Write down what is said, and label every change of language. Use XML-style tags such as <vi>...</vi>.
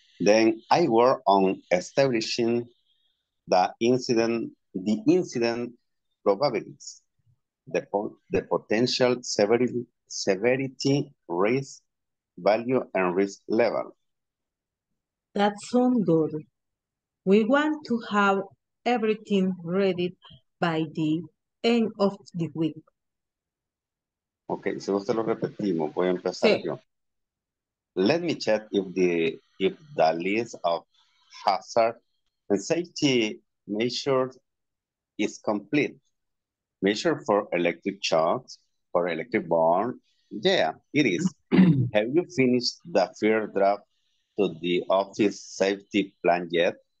<en>Then I work on establishing the incident probabilities, the potential severity risk value and risk level. That sounds good. We want to have everything ready by the end of the week.</en> <es>Okay, si no se lo repetimos, voy a empezar yo.</es> <en>Let me check if the list of hazard and safety measures is complete. Measure for electric shocks, for electric burn. Yeah, it is. Have you finished the first draft to the office safety plan yet?</en>